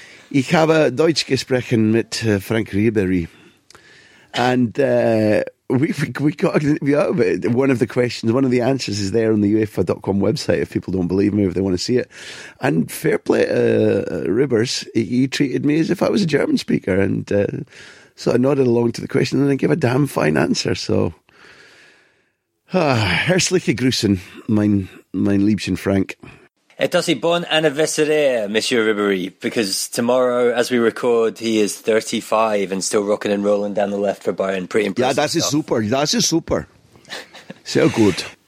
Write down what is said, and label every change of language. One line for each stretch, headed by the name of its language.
German: Ich habe Deutsch gesprochen mit Frank Ribery.
English: And we got an interview out of it. One of the questions, one of the answers is there on the UEFA.com website, if people don't believe me, if they want to see it. And fair play to Ribbers, he treated me as if I was a German speaker. And so I nodded along to the question and then gave a damn fine answer.
German: So, herzliche Grüßen, mein Liebchen Frank.
French: Et aussi bon anniversaire, Monsieur Ribery,
English: because tomorrow, as we record, he is 35 and still rocking and rolling down the left for Bayern. Pretty impressive. Yeah, that's super. That's super. So good.